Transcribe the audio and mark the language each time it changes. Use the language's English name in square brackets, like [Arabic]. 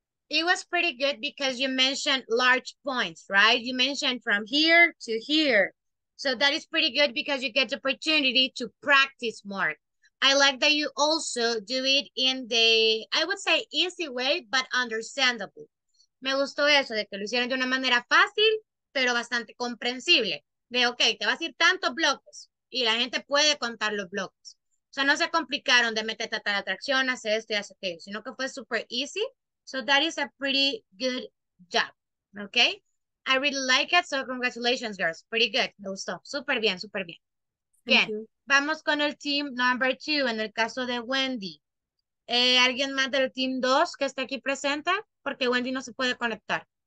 [English] It was pretty good because you mentioned large points, right? You mentioned from here to here. So that is pretty good because you get the opportunity to practice more. I like that you also do it in the, I would say, easy way, but understandable. [Spanish] Me gustó eso, de que lo hicieron de una manera fácil, pero bastante comprensible. De, okay, te vas a ir tantos bloques, y la gente puede contar los bloques. O sea, no se complicaron de meterte a tal atracción, hacer esto y hacer aquello, sino que fue [English] super easy. So that is a pretty good job, okay? I really like it, so congratulations, girls. Pretty good, [Spanish] me gustó. Super bien, super bien. Bien, vamos con el team number two, en el caso de Wendy. ¿Alguien más del team dos que esté aquí presente? Porque Wendy no se puede conectar.